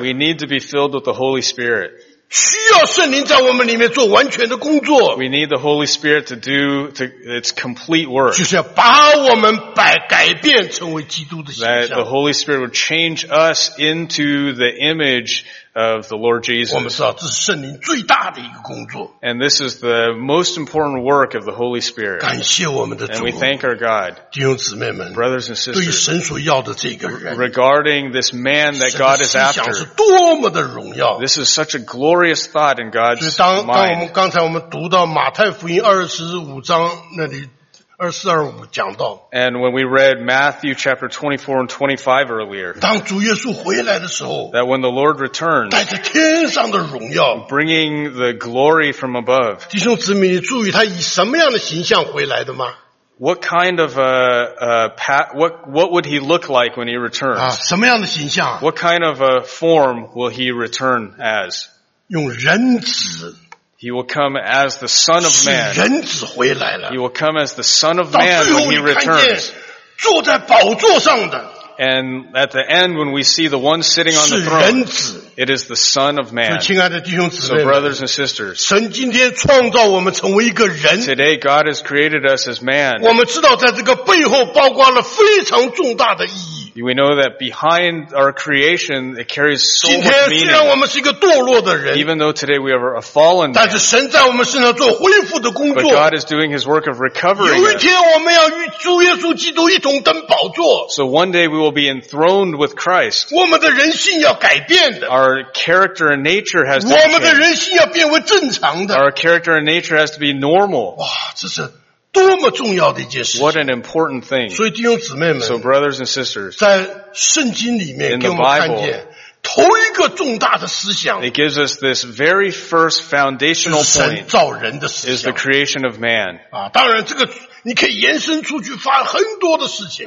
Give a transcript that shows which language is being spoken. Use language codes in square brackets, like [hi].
[en] We need to be filled with the Holy Spirit [zh] 需要圣灵在我们里面做完全的工作 [en] We need the Holy Spirit to do its complete work [zh] 就是要把我们改变成为基督的形象 [en] That the Holy Spirit would change us into the image of the Lord Jesus. [zh] 我们知道这是圣灵最大的一个工作。 [en] And this is the most important work of the Holy Spirit. [zh] 感谢我们的主。 [en] And we thank our God. [zh] 弟兄姊妹们。 [en] Brothers and sisters. [zh] 对于神所要的这个人。 [en] Regarding this man that God is after. [zh] 神的思想是多么的荣耀。 [en] This is such a glorious thought in God's mind. [zh] 当我们刚才我们读到马太福音25章那里24-25讲到。 [en] And when we read Matthew chapter 24 and 25 earlier, [zh] 当主耶稣回来的时候, [en] that when the Lord returns, [zh] 带着天上的荣耀, [en] bringing the glory from above, [zh] 弟兄姊妹，你注意他以什么样的形象回来的吗? [en] What kind of what would he look like when he returns? [zh] 啊，什么样的形象? [en] What kind of a form will he return as? [zh] 用人子。 [en] He will come as the Son of Man. [zh] 人子回来了。 [en] He will come as the Son of Man when he returns. [zh] 坐在宝座上的。 [en] And at the end, when we see the one sitting on the throne, [zh] 是人子。 [en] It is the Son of Man. [zh] 所以亲爱的弟兄姊妹们。 [en] So brothers and sisters. [zh] 神今天创造我们成为一个人。 [en] Today, God has created us as man. [zh] 我们知道在这个背后包括了非常重大的意义。 [en] We know that behind our creation, it carries so much meaning. [zh] 今天虽然我们是一个堕落的人。 [en] Even though today we are a fallen man. [zh] 但是神在我们身上做恢复的工作。 [en] But God is doing his work of recovering. [zh] 有一天我们要与主耶稣基督一同登宝座。 [en] So one day we will be enthroned with Christ. [zh] 我们的人性要改变的。 [en] Our character and nature has to change. [zh] 我们的人性要变为正常的。 [en] Our character and nature has to be normal. [zh] 哇，这是。多么重要的一件事情。 [en] What an important thing. [zh] 所以弟兄姊妹们。 [en] So brothers and sisters. [zh] 在圣经里面给我们看见。头一个重大的思想。 [en] It gives us this very first foundational point. [zh] 是神造人的思想。 [en] Is the creation of man. [zh] 啊，当然这个你可以延伸出去发很多的事情。